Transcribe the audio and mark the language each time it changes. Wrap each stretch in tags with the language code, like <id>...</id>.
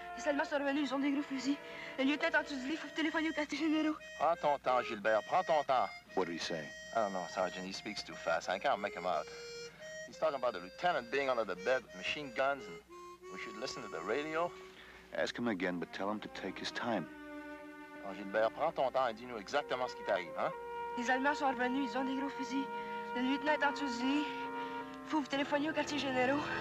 <fr>Les Allemands sont revenus, ils ont des gros fusils. Le lieutenant est en dessous du lit, faut téléphoner aux quatre généraux. Prends ton temps, Gilbert, prends ton temps.</fr> <en>What did he say? I don't know, Sergeant, he speaks too fast. I can't make him out. He's talking about the lieutenant being under the bed with machine guns and we should listen to the radio. Ask him again, but tell him to take his time.</en> <fr>Alors, Gilbert, prends ton temps et dis-nous exactement ce qui t'arrive, hein? Les Allemands sont revenus, ils ont des gros fusils. Le lieutenant est en dessous du lit, faut vous téléphoner aux quartiers généraux.</fr>